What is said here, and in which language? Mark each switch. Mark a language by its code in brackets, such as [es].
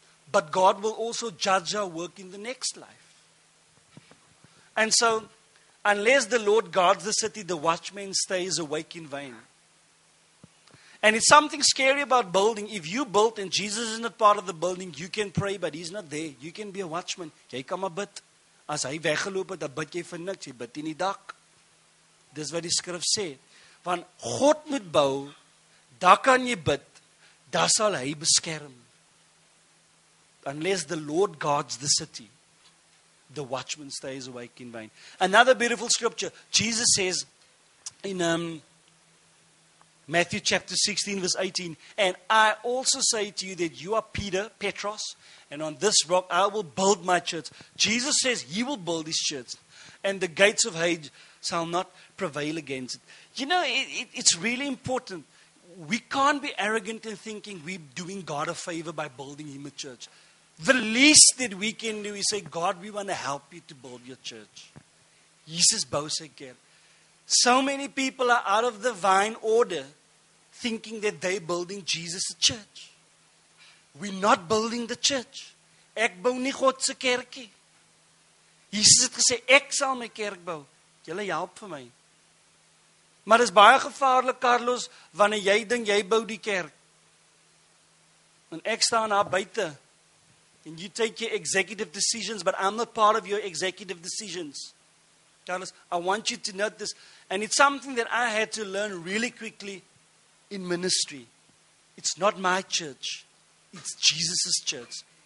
[en] But God will also judge our work in the next life. And so, unless the Lord guards the city, the watchman stays awake in vain. And it's something scary about building. If you built and Jesus is not part of the building, you can pray, but he's not there. You can be a watchman. [af] Jy kan maar bid. As hy weggeloop het, bid jy vir niks. Jy bid in die dak. Dis wat die skrif sê. Want God moet bou, daar kan jy bid, daar sal hy beskerm. [en] Unless the Lord guards the city, the watchman stays awake in vain. Another beautiful scripture, Jesus says in Matthew chapter 16 verse 18, and I also say to you that you are Peter, Petros, and on this rock I will build my church. Jesus says he will build his church, and the gates of Hades shall not prevail against it. You know, it's really important. We can't be arrogant in thinking we're doing God a favor by building him a church. The least that we can do is say, God, we want to help you to build your church. Jesus bows again. So many people are out of the vine order thinking that they're building Jesus a church. We're not building the church. [af] Ek bou nie God se kerkie. Jesus het gesê, ek sal my kerk bou. Julle help vir my. Maar dis baie gevaarlik, Carlos, wanneer jy dink jy bou die kerk. En ek staan daar buite. [en] And you take your executive decisions, but I'm not part of your executive decisions. Carlos, I want you to note this. And it's something that I had to learn really quickly in ministry. It's not my church. It's Jesus' church.